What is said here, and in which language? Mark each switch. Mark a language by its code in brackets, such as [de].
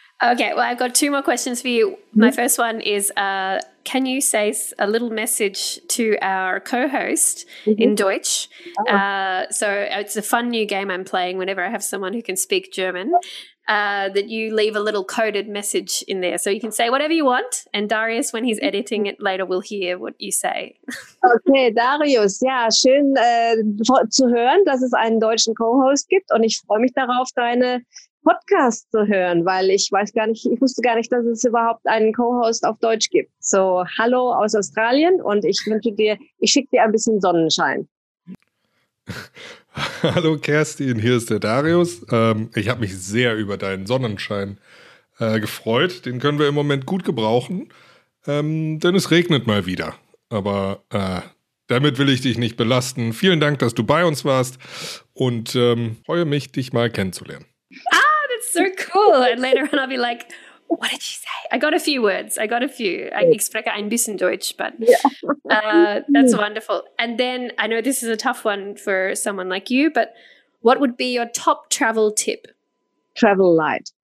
[en] Okay, well, I've got two more questions for you. Mm-hmm. My first one is: can you say a little message to our co-host in Deutsch? So it's a fun new game I'm playing. Whenever I have someone who can speak German, that you leave a little coded message in there. So you can say whatever you want, and Darius, when he's editing it later, will hear what you say. [de] Okay, Darius, ja, schön zu hören, dass es einen deutschen Co-Host gibt, und ich freue mich darauf, deine Podcast zu hören, weil ich wusste gar nicht, dass es überhaupt einen Co-Host auf Deutsch gibt. So, hallo aus Australien, und ich schicke dir ein bisschen Sonnenschein. Hallo Kerstin, hier ist der Darius. Ich habe mich sehr über deinen Sonnenschein gefreut. Den können wir im Moment gut gebrauchen, denn es regnet mal wieder. Aber damit will ich dich nicht belasten. Vielen Dank, dass du bei uns warst, und freue mich, dich mal kennenzulernen. [en] Ah, that's so cool. And later on I'll be like, what did you say? I got a few words. I spreche ein bisschen Deutsch, but that's wonderful. And then I know this is a tough one for someone like you, but what would be your top travel tip? Travel light.